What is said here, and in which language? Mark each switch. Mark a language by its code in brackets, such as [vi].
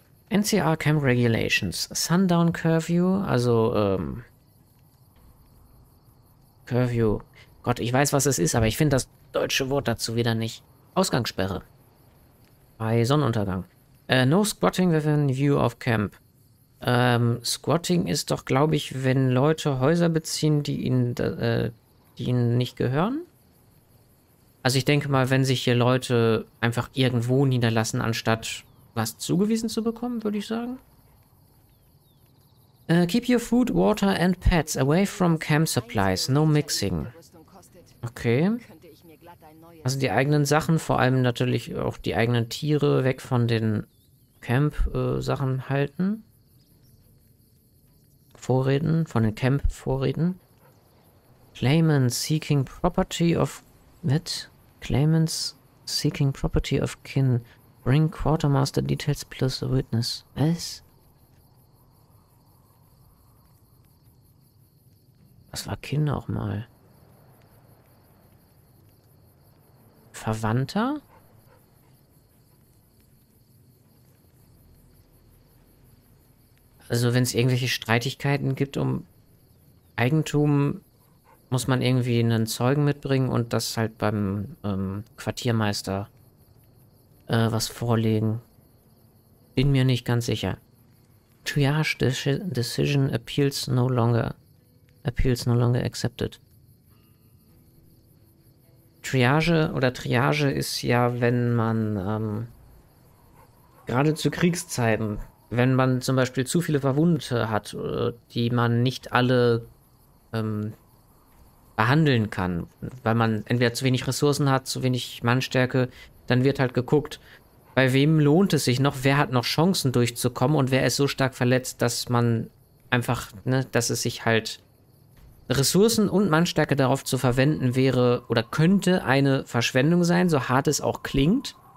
[en] NCR Camp Regulations. Sundown Curfew, also, Curfew. [de] Gott, ich weiß, was es ist, aber ich finde das deutsche Wort dazu wieder nicht. Ausgangssperre. Bei Sonnenuntergang. [en] No squatting within view of camp. [de] Squatting ist doch, glaube ich, wenn Leute Häuser beziehen, die ihnen nicht gehören. Also ich denke mal, wenn sich hier Leute einfach irgendwo niederlassen, anstatt was zugewiesen zu bekommen, würde ich sagen. [en] Keep your food, water and pets away from camp supplies. No mixing. Okay. [de] Also die eigenen Sachen, vor allem natürlich auch die eigenen Tiere, weg von den Camp-Sachen halten. Vorräten, von den Camp-Vorräten. [en] Claimants seeking property of... [de] What? [en] Claimants seeking property of kin. Bring Quartermaster details plus a witness. [de] Was? Was war Kin auch mal? Verwandter? Also wenn es irgendwelche Streitigkeiten gibt um Eigentum, muss man irgendwie einen Zeugen mitbringen und das halt beim Quartiermeister was vorlegen. Bin mir nicht ganz sicher. [en] Triage Decision appeals no longer accepted. [de] Triage ist ja, wenn man gerade zu Kriegszeiten, wenn man zum Beispiel zu viele Verwundete hat, die man nicht alle behandeln kann, weil man entweder zu wenig Ressourcen hat, zu wenig Mannstärke, dann wird halt geguckt, bei wem lohnt es sich noch, wer hat noch Chancen durchzukommen und wer ist so stark verletzt, dass man einfach, ne, dass es sich halt Ressourcen und Mannstärke darauf zu verwenden wäre oder könnte eine Verschwendung sein, so hart es auch klingt.